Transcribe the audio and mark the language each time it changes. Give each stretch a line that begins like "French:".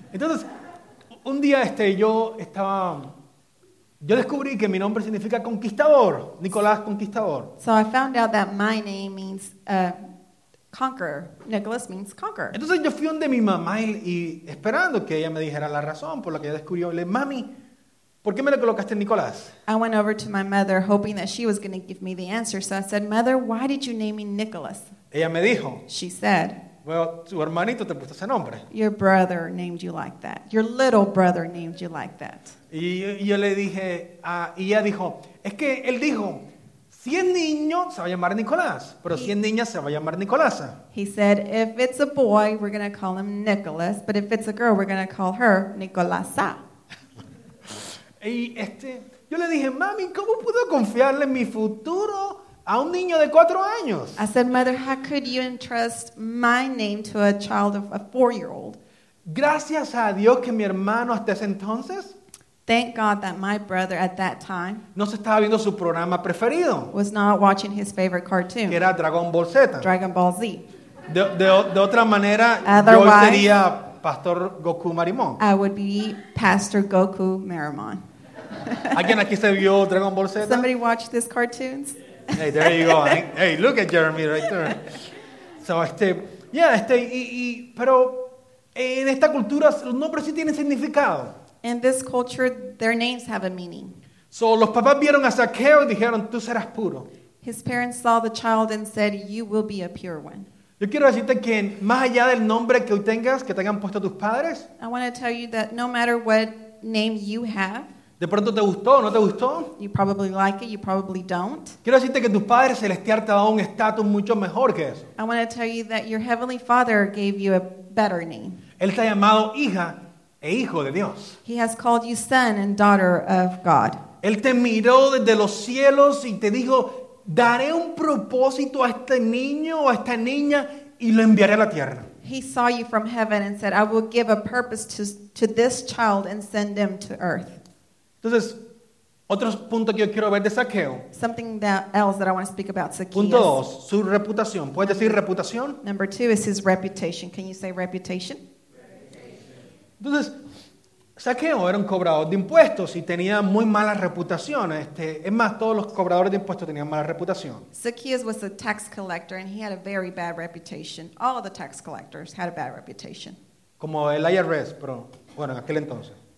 Spanish: Entonces, un día yo descubrí que mi nombre significa conquistador, Nicolás conquistador.
English: So I found out that my name means conqueror. Nicholas means conqueror.
Spanish: Entonces yo fui donde mi mamá y esperando que ella me dijera la razón por la que ella descubrió. Le dije, mami, ¿por qué me le colocaste Nicolás?
English: I went over to my mother hoping that she was going to give me the answer. So I said, mother, why did you name me Nicholas?
Spanish: Ella me dijo.
English: She said.
Spanish: Well, tu hermanito te puso ese nombre.
English: Your brother named you like that. Your little brother named you like that.
Spanish: Y yo le dije, y ella dijo, es que él dijo... Si es niño, se va a llamar Nicolás. Pero si es niña, se va a llamar Nicolasa.
English: He said, if it's a boy, we're going to call him Nicholas. But if it's a girl, we're going to call her Nicolasa.
Spanish: Y yo le dije, mami, ¿cómo puedo confiarle mi futuro a un niño de 4 años?
English: I said, mother, how could you entrust my name to a child of a 4-year-old?
Spanish: Gracias a Dios que mi hermano hasta ese entonces...
English: Thank God that my brother at that time
Spanish: no se estaba viendo su programa preferido,
English: was not watching his favorite cartoon.
Spanish: Que era Dragon Ball Z. Dragon Ball Z. De otra manera,
English: otherwise,
Spanish: yo sería Pastor Goku Marimón.
English: I would be Pastor Goku Marimón.
Spanish: ¿Alguien aquí se vio Dragon Ball Z?
English: Somebody watched these cartoons? Hey, there you go. Hey, look at Jeremy right there.
Spanish: So, pero en esta cultura los nombres sí tienen significado.
English: In this culture, their names have a meaning.
Spanish: So los papás vieron a Zaqueo y dijeron, tú serás puro.
English: His parents saw the child and said, you will be a pure one.
Spanish: Yo quiero decirte que más allá del nombre que tengas, que te hayan puesto tus padres.
English: I want to tell you that no matter what name you have.
Spanish: De pronto te gustó o no te gustó.
English: You probably like it, you probably don't.
Spanish: Quiero decirte que tu padre celestial te ha dado un estatus mucho mejor que eso.
English: I want to tell you that your heavenly father gave you a better name.
Spanish: Él te ha llamado hija. E hijo de Dios.
English: He has called you son and daughter of God.
Spanish: Él te miró desde los cielos y te dijo, daré un propósito a este niño o a esta niña y lo enviaré a la tierra.
English: He saw you from heaven and said, I will give a purpose to this child and send him to earth.
Spanish: Entonces, otro punto que yo quiero ver de Zaqueo.
English: Something that else that I want to speak about Zacchaeus.
Spanish: Punto dos, su reputación. ¿Puedes decir reputación?
English: Number two is his reputation. Can you say reputation?
Spanish: Entonces, Zaqueo era un cobrador de impuestos y tenía muy mala reputación. Es más, todos los cobradores de impuestos tenían mala reputación.
English: Zacchaeus was a tax collector and he had a very bad reputation. All of the tax collectors had a bad reputation.
Spanish: Como el IRS, pero bueno, en aquel entonces.